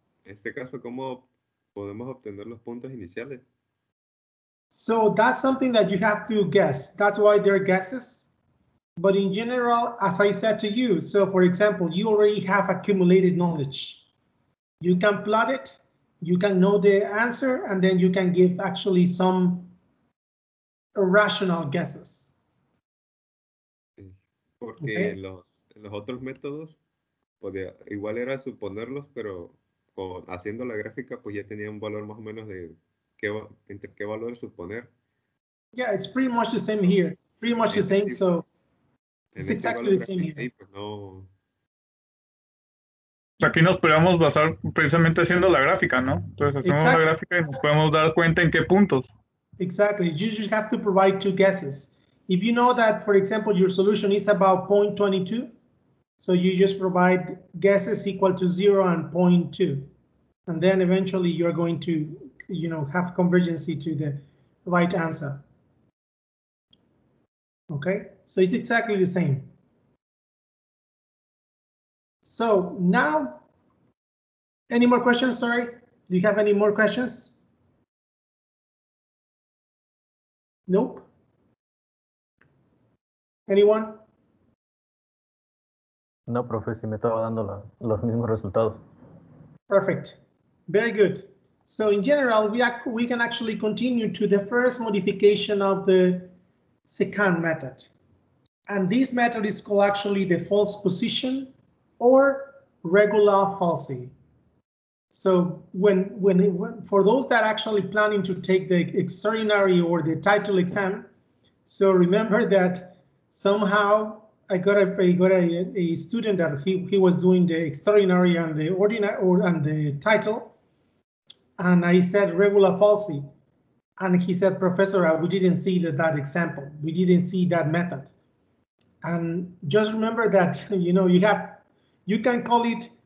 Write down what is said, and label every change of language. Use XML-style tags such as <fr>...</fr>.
<es>En este caso, ¿cómo podemos obtener los puntos iniciales?</es> <en>So that's something that you have to guess. That's why there are guesses. But in general, as I said to you, so for example, you already have accumulated knowledge. You can plot it, you can know the answer, and then you can give actually some irrational guesses.</en> <es>Porque okay. en los otros métodos, podía, igual era suponerlos, pero haciendo la gráfica, pues ya tenía un valor más o menos de qué, entre qué valor suponer.</es> <en>Yeah, it's pretty much the same here. Pretty much the same, so it's exactly the same here.</en> <es>Pues no. Aquí nos podríamos basar precisamente haciendo la gráfica, ¿no? Entonces hacemos</es> <en>exactly.</en> <es>La gráfica y nos podemos dar cuenta en qué puntos.</es> <en>Exactly. You just have to provide two guesses. If you know that, for example, your solution is about 0.22, so you just provide guesses equal to 0 and 0.2. And then eventually you're going to, you know, have convergency to the right answer. Okay? So it's exactly the same. So now, any more questions? Sorry, do you have any more questions? Nope. Anyone?</en> <es>No, profe, si me estaba dando los mismos resultados.</es> <en>Perfect. Very good. So in general, we can actually continue to the first modification of the Secant method. And this method is called actually the false position or regular falsi. So when for those that are actually planning to take the extraordinary or the title exam, so remember that somehow I got a student that he was doing the extraordinary and the ordinary or and the title, and I said regular falsi, and he said, professor, we didn't see that example, we didn't see that method. And just remember that, you know, you can call it</en>